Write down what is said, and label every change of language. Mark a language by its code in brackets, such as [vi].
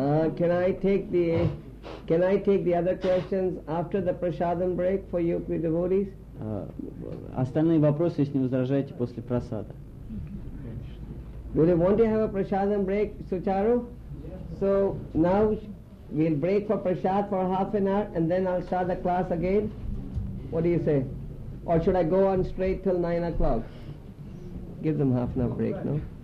[en] Can I take the other questions after the prasadam break for you, for devotees? [ru] Остальные вопросы, если не возражаете, после прасада. [en] Do you want to have a prasadam break, Sucharu? So now we'll break for prasad for half an hour and then I'll start the class again. What do you say? Or should I go on straight till 9 o'clock? Give them half an hour break, no?